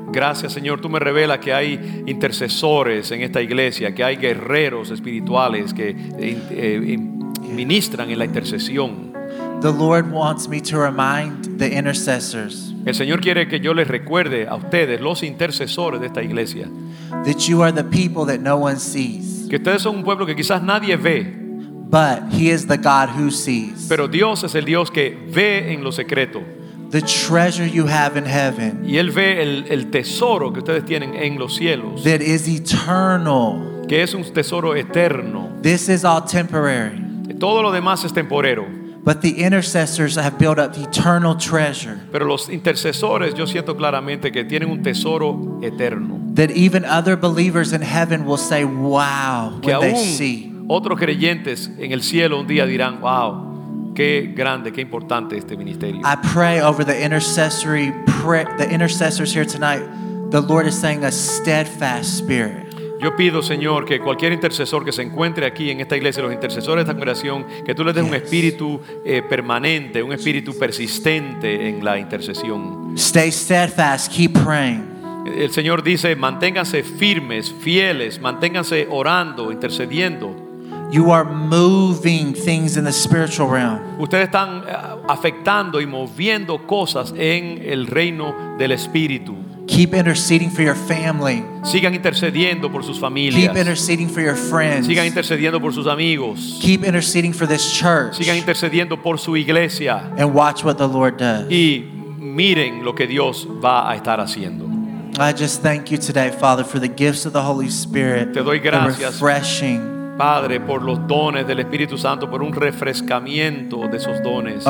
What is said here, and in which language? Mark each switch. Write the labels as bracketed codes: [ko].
[es] Gracias, Señor. Tú me revelas que hay intercesores en esta iglesia, que hay guerreros espirituales que ministran en la intercesión. [en] The Lord wants me to remind the intercessors. [es] El Señor quiere que yo les recuerde a ustedes, los intercesores de esta iglesia. [en] That you are the people that no one sees. [es] Que ustedes son un pueblo que quizás nadie ve. [en] But He is the God who sees. [es] Pero Dios es el Dios que ve en lo secreto. [en] The treasure you have in heaven. [es] Y él ve el tesoro que ustedes tienen en los cielos. [en] That is eternal. [es] Que es un tesoro eterno. [en] This is all temporary. [es] Todo lo demás es temporero. [en] But the intercessors have built up eternal treasure. [es] Pero los intercesores yo siento claramente que tienen un tesoro eterno. [en] That even other believers in heaven will say, "Wow," when they see. [es] Otros creyentes en el cielo un día dirán, "Wow." Qué grande, qué importante este ministerio. [en] I pray over the intercessory the intercessors here tonight. The Lord is saying a steadfast spirit. [es] Yo pido, Señor, que cualquier intercesor que se encuentre aquí en esta iglesia, los intercesores de esta congregación, que tú les des un espíritu permanente, un espíritu persistente en la intercesión. [en] Stay steadfast, keep praying. [es] El Señor dice, manténganse firmes, fieles, manténganse orando, intercediendo. [en] You are moving things in the spiritual realm. [es] Ustedes están afectando y moviendo cosas en el reino del espíritu. [en] Keep interceding for your family. [es] Sigan intercediendo por sus familias. [en] Keep interceding for your friends. [es] Sigan intercediendo por sus amigos. [en] Keep interceding for this church. [es] Sigan intercediendo por su iglesia. [en] And watch what the Lord does. [es] Y miren lo que Dios va a estar haciendo. [en] I just thank you today, Father, for the gifts of the Holy Spirit. [es] Te doy gracias. [en] The refreshing. [es] Padre, por los dones del Espíritu Santo, por un refrescamiento de esos dones.